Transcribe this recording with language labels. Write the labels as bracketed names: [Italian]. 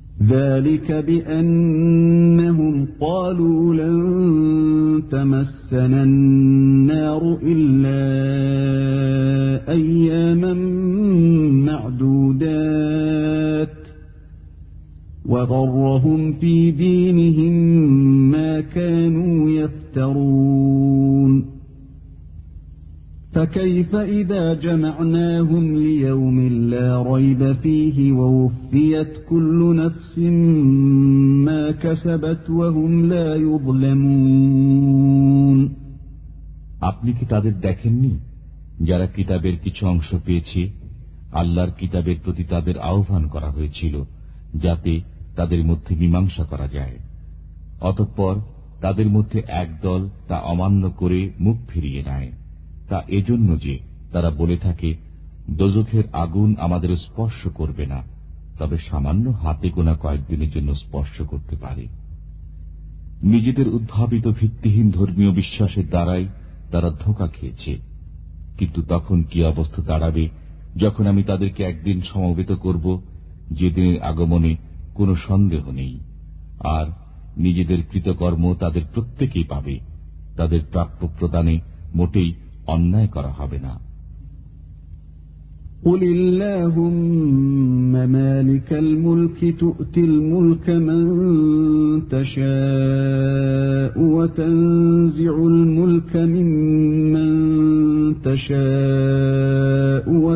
[Arabic] ذلك بأنهم قالوا لن تمسنا النار إلا أياما معدودات وغرهم في دينهم ما كانوا يفترون فكيف إذا جمعناهم ليوم لا ريب فيه ووفيت كل نفس ما كسبت وهم لا يظلمون [Bangla] আপনি কি তাদের দেখেননি যারা কিতাবের কিছু অংশ পেয়েছে আল্লাহর কিতাবের প্রতি তাদের আহ্বান করা হয়েছিল যাতে তাদের মধ্যে মীমাংসা করা যায় অতঃপর তাদের মধ্যে একদল তা অমান্য করে মুখ ফিরিয়ে নেয় তা এজন্য যে তারা বলে থাকে দোজখের আগুন আমাদের স্পর্শ করবে না তবে সামান্য হাতে গোনা কয়েকদিনের জন্য স্পর্শ করতে পারে নিজেদের উদ্ভাবিত ভিত্তিহীন ধর্মীয় বিশ্বাসের দ্বারাই তারা ধোঁকা খেয়েছে কিন্তু তখন কি অবস্থা দাঁড়াবে যখন আমি তাদেরকে একদিন সমবেত করব যেদিনের আগমনে কোন সন্দেহ নেই আর নিজেদের কৃতকর্ম তাদের প্রত্যেকেই পাবে তাদের প্রাপ্য প্রদানে মোটেই অন্যায় করা হবে না [Arabic] قُلِ اللَّهُمَّ مَالِكَ الْمُلْكِ تُؤْتِي الْمُلْكَ مَنْ تَشَاءُ وَتَنْزِعُ الْمُلْكَ مِمَّنْ تَشَاءُ